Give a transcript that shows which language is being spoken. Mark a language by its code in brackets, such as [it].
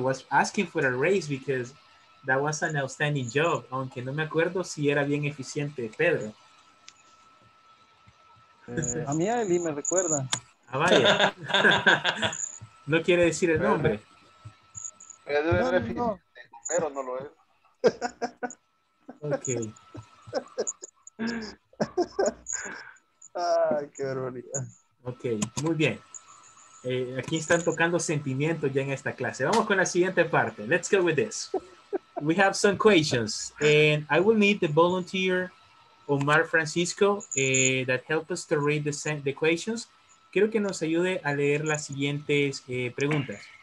[en] Was asking for a raise because that was an outstanding job. [es] Aunque no me acuerdo si era bien eficiente Pedro. A mí Eli me recuerda. Ah, vaya. No quiere decir el nombre. Pedro es eficiente, pero no lo es. Ok. Ay, qué barbaridad. Ok, muy bien. Aquí están tocando sentimientos ya en esta clase. Vamos con la siguiente parte. [en] Let's go with this. We have some questions. And I will need the volunteer Omar Francisco that help us to read the questions. [es] Quiero que nos ayude a leer las siguientes preguntas.